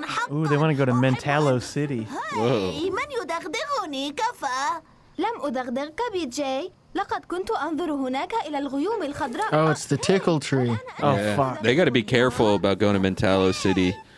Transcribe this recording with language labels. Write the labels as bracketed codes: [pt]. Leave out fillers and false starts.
[en] Ooh, they want to go to Mentallo City. Whoa. [ar] لم أدغدغك بي جي لقد كنت أنظر هناك إلى الغيوم الخضراء. [en] Oh, it's the tickle tree. Oh, yeah. Fuck. They gotta be careful about going to Mentallo City.